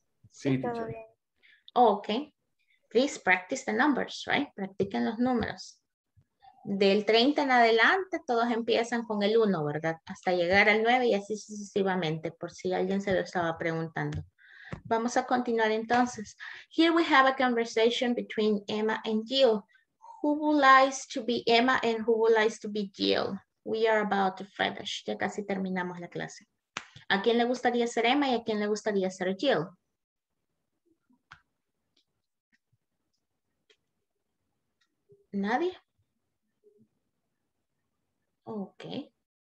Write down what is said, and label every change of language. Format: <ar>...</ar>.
<es>Sí, todo bien.</es> <en>Ok. Please practice the numbers, right?</en> <es>Practiquen los números. Del 30 en adelante, todos empiezan con el 1, ¿verdad? Hasta llegar al 9 y así sucesivamente, por si alguien se lo estaba preguntando. Vamos a continuar entonces.</es> <en>Here we have a conversation between Emma and Jill. Who would like to be Emma and who would like to be Jill? We are about to finish.</en> <es>Ya casi terminamos la clase. ¿A quién le gustaría ser Emma y a quién le gustaría ser Jill? ¿Nadie?</es> <en>Okay.</en>